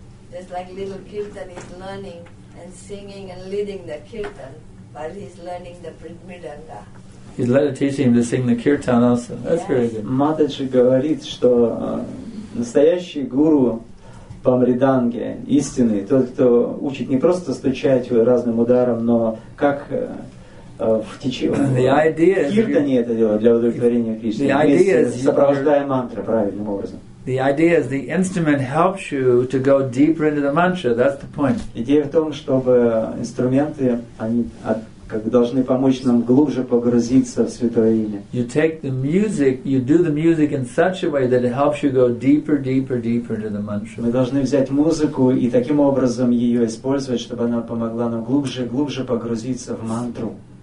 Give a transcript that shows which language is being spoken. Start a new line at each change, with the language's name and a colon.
English: Just like little Kirtan is learning and singing and leading the Kirtan while he's learning the Mridanga. He's learning teaching him to sing the Kirtan also. That's very good.
Russian: Матаджи говорит, что настоящий гуру по мриданге, истинный, тот, кто учит не просто стучать разным ударом, но как в течение киртане это делать для удовлетворения Кришны, сопровождая мантры правильным образом.
English: The idea is the instrument helps you to go deeper into the mantra. That's the point.
Russian: Идея в том, чтобы инструменты, они как бы должны помочь нам глубже погрузиться в святое имя.
English: You take the music, you do the music in such a way that it helps you go deeper into the mantra.
Russian: Мы должны взять музыку и таким образом ее использовать, чтобы она помогла нам глубже погрузиться в мантру.